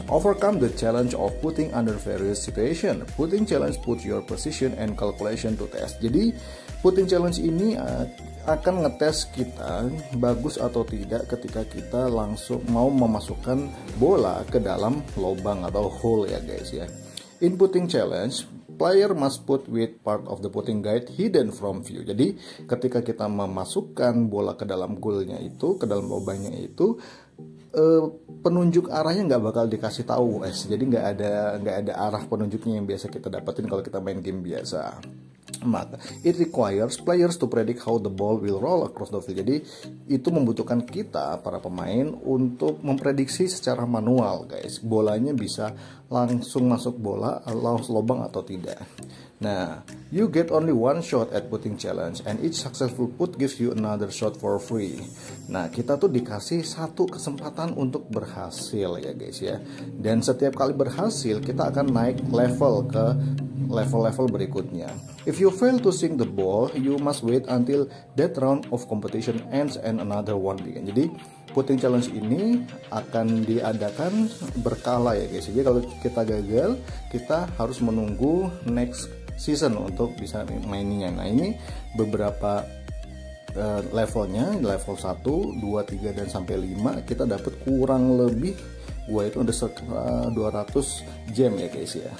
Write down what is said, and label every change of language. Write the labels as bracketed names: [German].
[English] Overcome the challenge of putting under various situation. Putting Challenge put your precision and calculation to test. [Indonesian] Jadi Putting Challenge ini akan ngetes kita bagus atau tidak ketika kita langsung mau memasukkan bola ke dalam lubang atau hole ya guys ya. [English] In Putting Challenge, player must put with part of the putting guide hidden from view. [Indonesian] Jadi ketika kita memasukkan bola ke dalam goalnya itu, ke dalam lubangnya itu, penunjuk arahnya nggak bakal dikasih tahu guys. Jadi nggak ada arah penunjuknya yang biasa kita dapetin kalau kita main game biasa. [English] Maka it requires players to predict how the ball will roll across the field. [Indonesian] Jadi itu membutuhkan kita para pemain untuk memprediksi secara manual guys, bolanya bisa langsung masuk bola langsung lubang atau tidak. [English] Nah, you get only one shot at putting challenge and each successful put gives you another shot for free. [Indonesian] Nah, kita tuh dikasih satu kesempatan untuk berhasil ya guys ya. Dan setiap kali berhasil, kita akan naik level ke level-level berikutnya. [English] If you fail to sink the ball, you must wait until that round of competition ends and another one begins. [Indonesian] Jadi, putting challenge ini akan diadakan berkala ya guys. Jadi, kalau kita gagal, kita harus menunggu [English] next season [Indonesian] untuk bisa maininnya. Nah, ini beberapa levelnya, level 1, 2, 3, dan sampai 5, kita dapat kurang lebih, gua itu ada 200 gem ya guys ya.